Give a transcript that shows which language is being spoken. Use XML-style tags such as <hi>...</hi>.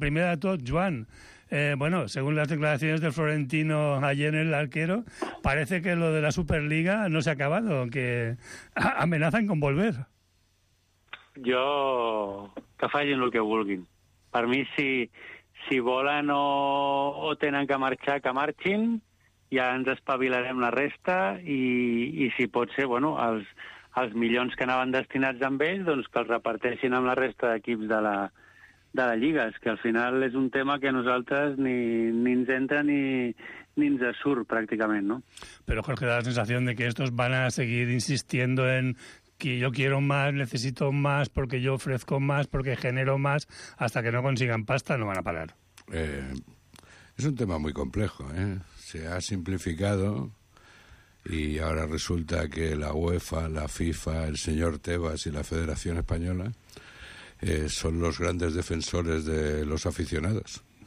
<ca>Primer de tot,</ca> <es>Joan, bueno, según las declaraciones del Florentino ayer en el arquero, parece que lo de la Superliga no se ha acabado, que amenazan con volver.</es> <ca>Jo, que facin el que vulguin. Per mi, si volen o tenen que marxar, que marxin, ja ens espavilarem la resta i si pot ser, bueno, els milions que anaven destinats amb ells, doncs que els reparteixin amb la resta d'equips de la Lliga. És que al final és un tema que a nosaltres ni ens entra ni ens surt, pràcticament, no?</ca> <es>Però, Jorge, da la sensació de que estos van a seguir insistiendo en que yo quiero más, necesito más, porque yo ofrezco más, porque genero más, hasta que no consigan pasta no van a parar. Es un tema muy complejo, ¿eh? Se ha simplificado y ahora resulta que la UEFA, la FIFA, el señor Tebas y la Federación Española son los grandes defensores de los aficionados.</es>